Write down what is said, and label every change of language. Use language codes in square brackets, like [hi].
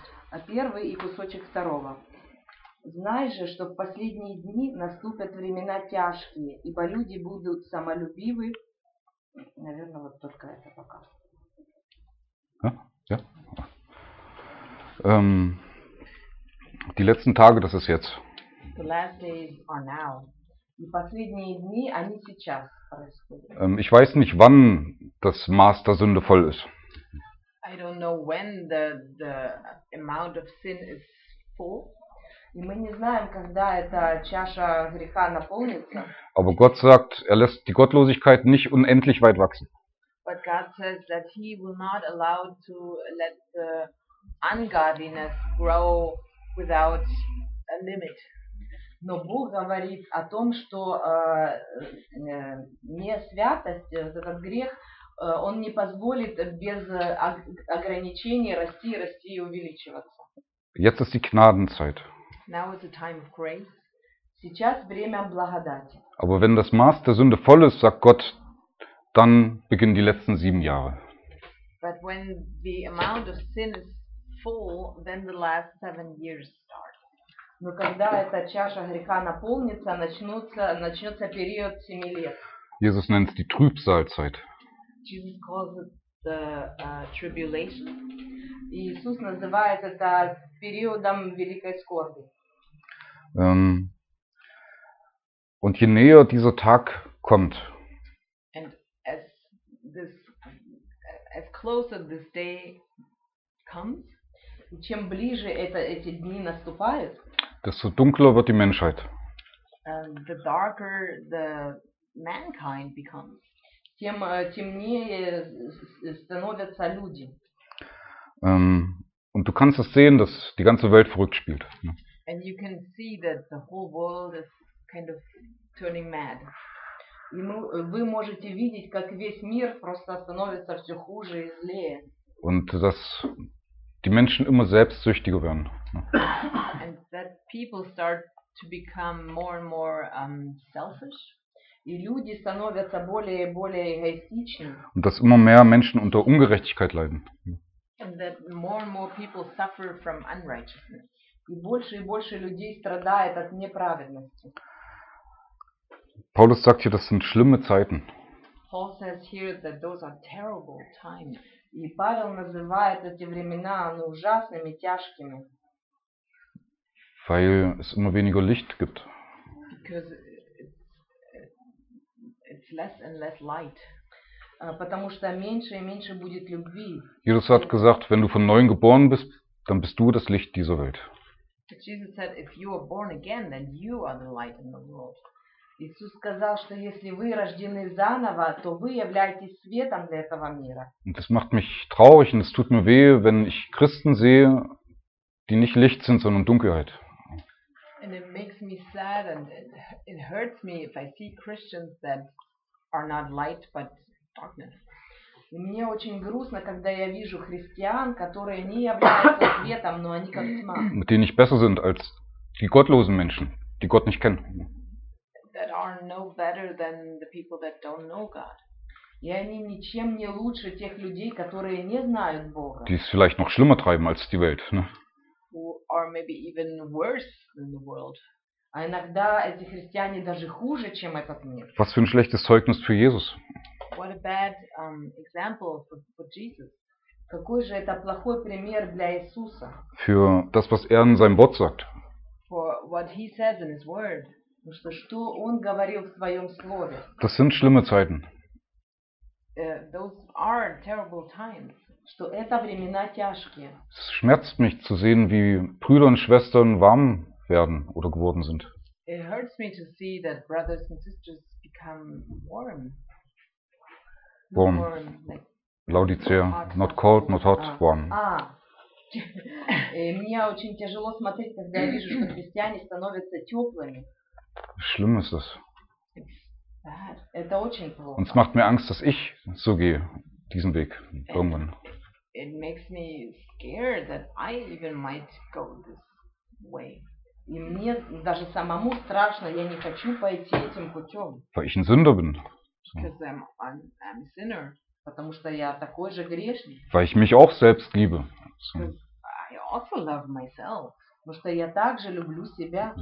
[ru] А первый и кусочек второго. Знай же, что в последние дни наступят времена тяжкие, ибо люди будут самолюбивы. Наверное, вот только это пока. [de] Ja. Die letzten Tage, das ist jetzt. [en] The last days are now. [de] Die [ru] последние дни, они сейчас. [de] Ich weiß nicht, wann das Maß der Sünde voll ist. [en] I don't know when the amount of sin is full. [ru] И мы не знаем, когда эта чаша греха наполнится. [de] Aber Gott sagt, er lässt die Gottlosigkeit nicht unendlich weit wachsen. [en] But God says that he will not allow to let the ungodliness grow without a limit. [ru] Но Бог говорит о том, что не святость, этот грех, он не позволит без ограничений расти, расти и увеличиваться. [de] Jetzt ist die Gnadenzeit. [en] Now is the time of grace. [ru] Сейчас время благодати. [de] Aber wenn das Maß der Sünde voll ist, sagt Gott, dann beginnen die letzten 7 Jahre. [en] But when the amount of sin is full, then the last 7 years start. [ru] Но когда эта чаша греха наполнится, начнется период 7 лет. [de] Jesus nennt es die Trübsalzeit. [en] Jesus calls it the tribulation. [ru] Иисус называет это периодом великой скорби. [de] Und je näher dieser Tag kommt, [en] and as closer this day comes, [ru] и чем ближе эти дни наступают, [de] desto dunkler wird die Menschheit. [en] The darker the mankind becomes, [ru] тем темнее становятся люди. [de] Und du kannst es sehen, dass die ganze Welt verrückt spielt. [en] And you can see that the whole world is kind of turning mad. [ru] вы можете видеть, как весь мир просто становится все хуже и злее. [de] Und dass die Menschen immer selbstsüchtiger werden. [en] And that people start to become more and more selfish. [ru] И люди становятся более и более эгоистичными. [de] Und dass immer mehr Menschen unter Ungerechtigkeit leiden. [en] And that more and more people suffer from unrighteousness. [ru] И больше людей страдает от неправедности. [de] Paulus sagt hier, das sind schlimme Zeiten. [en] Paul says here that those are terrible times. [ru] И Павел называет эти времена, ну, ужасными, тяжкими. [de] Weil es immer weniger Licht gibt. [en] Because it's less and less light. [ru] Потому что меньше и меньше будет любви. [de] Jesus hat gesagt, wenn du von neuem geboren bist, dann bist du das Licht dieser Welt. [en] Jesus said, if you are born again, then you are the light in the world. [ru] Иисус сказал, что если вы рождены заново, то вы являетесь светом для этого мира. [de] Und das macht mich traurig und es tut mir weh, wenn ich Christen sehe, die nicht Licht sind, sondern Dunkelheit. [en] And it makes me sad and it hurts me if I see Christians that are not light but darkness. [ru] И мне очень грустно, когда я вижу христиан, которые не являются светом, но они как тьма. [de] Mit denen ich besser sind als die gottlosen Menschen, die Gott nicht kennen. [en] That are no better than the people that don't know God. [ru] И они ничем не лучше тех людей, которые не знают Бога. [de] Die es vielleicht noch schlimmer treiben als die Welt, ne? [en] Or maybe even worse than the world. [ru] А иногда эти христиане даже хуже, чем этот мир. [de] Was für ein schlechtes Zeugnis für Jesus. [en] What a bad example for Jesus. [ru] Какой же это плохой пример для Иисуса. [de] Für das, was er in seinem Wort sagt. [en] For what he says in his word. [ru] Потому что, что он говорил в своем слове. [de] Das sind schlimme Zeiten. [en] Those are terrible times. [ru] Что это времена тяжкие. [de] Es schmerzt mich zu sehen, wie Brüder und Schwestern warm werden oder geworden sind. [en] It hurts me to see that brothers and sisters become warm. Warm. Laodicea. Not cold, not hot, warm. [ru] Мне очень тяжело смотреть, когда я вижу, что христиане становятся теплыми. [de] Schlimm ist es. [ru] Это очень плохо. [de] Und es macht mir Angst, dass ich so gehe, diesen Weg, irgendwann. [en] It makes me scared that I even might go this way. [ru] И мне даже самому страшно, я не хочу пойти этим путем. [de] Weil ich ein Sünder bin. [en] Because I'm a sinner. [ru] Потому что я такой же грешник. [de] Weil ich mich auch selbst liebe. [en] I also love myself. [ru] Потому что я также люблю себя.